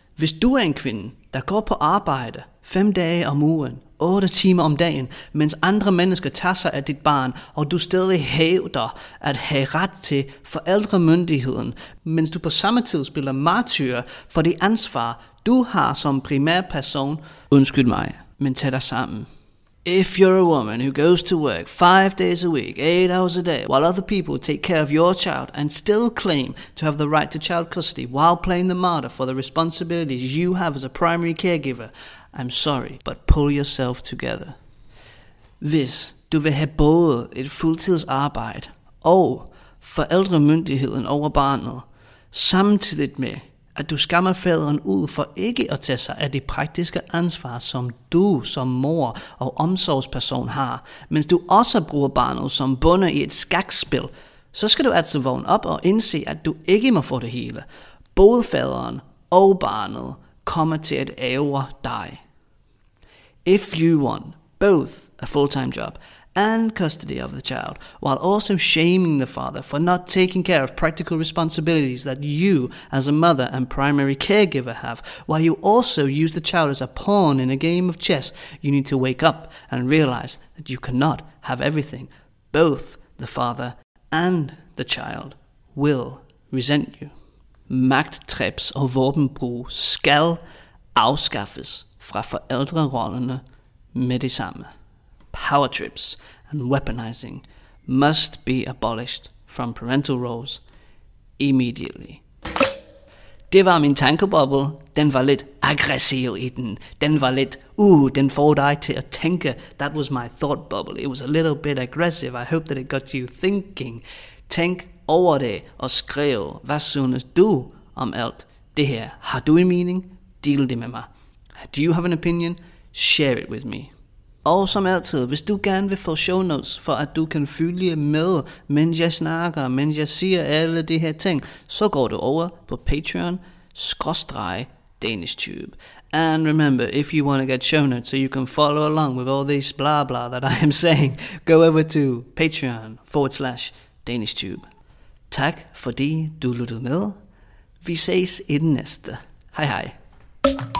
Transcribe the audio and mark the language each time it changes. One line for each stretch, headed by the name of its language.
Danish: Hvis du er en kvinde, der går på arbejde 5 dage om ugen, 8 timer om dagen, mens andre mennesker tager sig af dit barn, og du stadig hævder at have ret til forældremyndigheden, mens du på samme tid spiller martyr for det ansvar, du har som primær person, undskyld mig, men tag dig sammen.
English: If you're a woman who goes to work 5 days a week, 8 hours a day, while other people take care of your child and still claim to have the right to child custody while playing the martyr for the responsibilities you have as a primary caregiver, I'm sorry, but pull yourself together.
Danish: Hvis du vil have både et fuldtidsarbejde og forældremyndigheden over barnet, samtidig med at du skammer faderen ud for ikke at tage sig af det praktiske ansvar, som du som mor og omsorgsperson har, mens du også bruger barnet som bunde i et skakspil, så skal du altså vågne op og indse, at du ikke må få det hele. Både faderen og barnet kommer til at ære dig.
English: If you want both a full-time job and custody of the child, while also shaming the father for not taking care of practical responsibilities that you, as a mother and primary caregiver, have, while you also use the child as a pawn in a game of chess, you need to wake up and realize that you cannot have everything. Both the father and the child will resent you.
Danish: Magttrips og våbenbrug skal afskaffes fra forældrerollerne med det samme.
English: Power trips and weaponizing must be abolished from parental roles immediately.
Danish: Det var min tankebubble. Den var lidt aggressiv i den. Den var lidt, den får dig til at tænke.
English: That was my thought bubble. It was a little bit aggressive. I hope that it got you thinking.
Danish: Tænk over det og skriv, hvad synes du om alt det her? Har du en mening? Deal det med mig.
English: Do you have an opinion? Share it with me.
Danish: Og som altid, hvis du gerne vil få show notes, for at du kan følge med, mens jeg snakker, mens jeg siger alle de her ting, så går du over på Patreon/DanishTube.
English: And remember, if you want to get show notes so you can follow along with all this blah blah that I am saying, go over to Patreon/DanishTube.
Danish: Tak fordi du lyttede med. Vi ses i den næste. Hej hej.